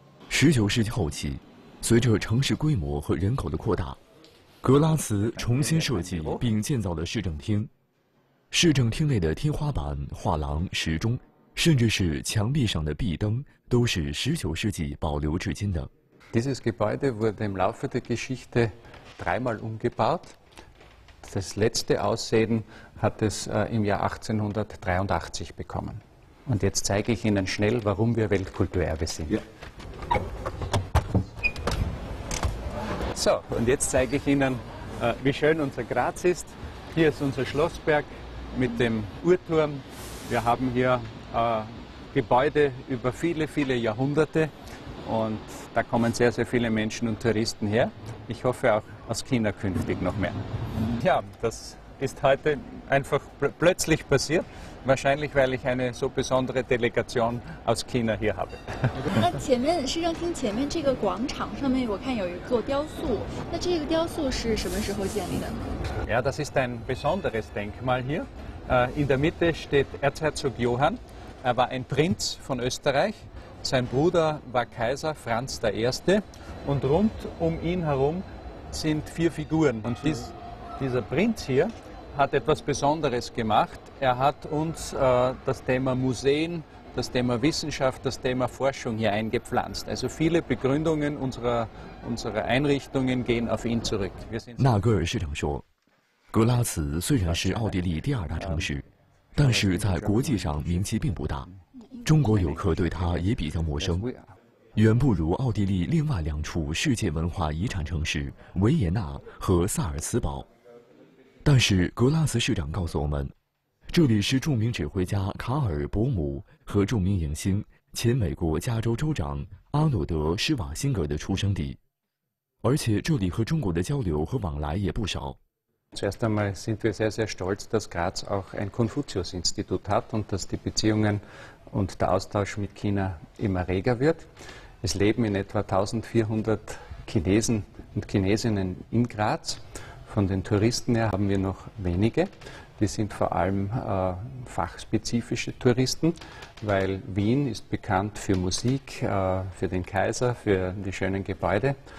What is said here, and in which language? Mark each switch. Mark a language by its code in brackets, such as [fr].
[zh] 19世纪后期，随着城市规模和人口的扩大，格拉茨重新设计并建造了市政厅。市政厅内的天花板、画廊、时钟，甚至是墙壁上的壁灯，都是19世纪保留至今的。 [de] Dieses Gebäude wurde im Laufe der Geschichte dreimal umgebaut. Das letzte Aussehen hat es im Jahr 1883 bekommen. Und jetzt zeige ich Ihnen schnell, warum wir Weltkulturerbe sind. So, und jetzt zeige ich Ihnen, wie schön unser Graz ist. Hier ist unser Schlossberg mit dem Uhrturm. Wir haben hier Gebäude über viele, viele Jahrhunderte. Und da kommen sehr, sehr viele Menschen und Touristen her. Ich hoffe auch aus China künftig noch mehr. Ja, das ist heute einfach plötzlich passiert. Wahrscheinlich, weil ich eine so besondere Delegation aus China hier habe. [zh] 那前面市政厅前面这个广场上面，我看有一座雕塑。那这个雕塑是什么时候建立的呢 [de] ？Ja, das ist ein besonderes Denkmal hier. In der Mitte steht Erzherzog Johann. Er war ein Prinz von Österreich. Sein Bruder war Kaiser Franz der Erste. Und rund um ihn herum sind 4 Figuren. Und dieser Prinz hier hat etwas Besonderes gemacht. Er hat uns das Thema Museen, das Thema Wissenschaft, das Thema Forschung hier eingepflanzt. Also viele Begründungen unserer Einrichtungen gehen auf ihn zurück. [zh] 纳格尔市长说，格拉茨虽然是奥地利第二大城市，但是在国际上名气并不大，中国游客对它也比较陌生，远不如奥地利另外两处世界文化遗产城市维也纳和萨尔茨堡。但是格拉茨市长告诉我们，这里是著名指挥家卡尔·伯姆和著名影星前美国加州州长阿诺德·施瓦辛格的出生地，而且这里和中国的交流和往来也不少。 [de] Zuerst einmal sind wir sehr, sehr stolz, dass Graz auch ein Konfuzius-Institut hat und dass die Beziehungen und der Austausch mit China immer reger wird. Es leben in etwa 1400 Chinesen und Chinesinnen in Graz. Von den Touristen her haben wir noch wenige. Die sind vor allem fachspezifische Touristen, weil Wien ist bekannt für Musik, für den Kaiser, für die schönen Gebäude.